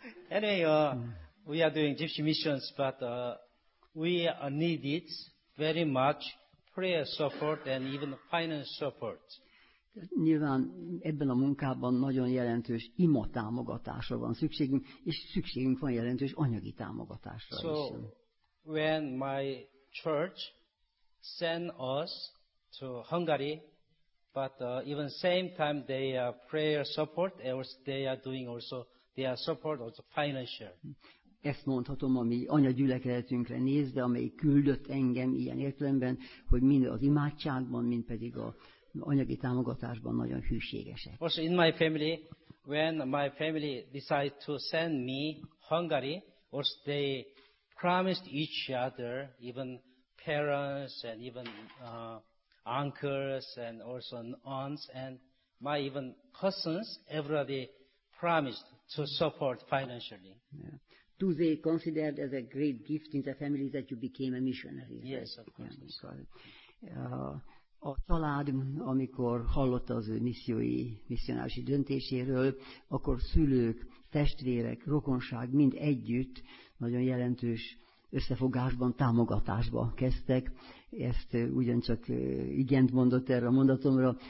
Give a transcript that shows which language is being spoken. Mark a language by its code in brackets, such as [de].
[en] Anyway, we are doing Gypsy missions, but we need it very much, prayer support and even finance support. [hu] Nyilván ebben a munkában nagyon jelentős ima támogatásra van szükségünk, és szükségünk van jelentős anyagi támogatásra is. [en] So, when my church send us to Hungary, but even same time they are prayer support, else they are doing also their support also financial. [hu] Ezt mondhatom a mi anyagyülekezetünkre nézve, amely küldött engem ilyen értelemben, hogy mind az imádságban, mind pedig a anyagi támogatásban nagyon hűségesek. [en] Also in my family, when my family decided to send me Hungary, also they promised each other, even parents and even uncles and also aunts and my even cousins, everybody promised to support financially. Yeah. Do they consider it as a great gift in the family that you became a missionary? Yes, of course. [hu] A család, amikor hallotta az ő missionárisi döntéséről, akkor szülők, testvérek, rokonság mind együtt nagyon jelentős összefogásban, támogatásba kezdtek. Ezt ugyancsak igent mondott erre a mondatomra.